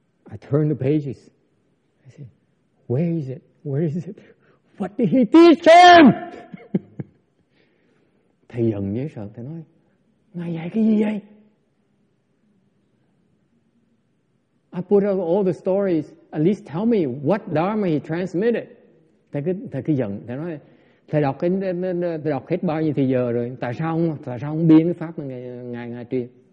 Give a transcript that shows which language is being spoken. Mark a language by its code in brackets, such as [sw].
[en] I turned the pages. I said, where is it? Where is it? What did he teach him? [vi] Thầy giận dễ sợ, thầy nói, ngài dạy cái gì vậy? [en] I put out all the stories. At least tell me what Dharma he transmitted. [vi] Thầy cứ giận. Thầy nói, thầy đọc hết bao nhiêu thời giờ rồi. Tại sao không biến cái pháp ngài truyền?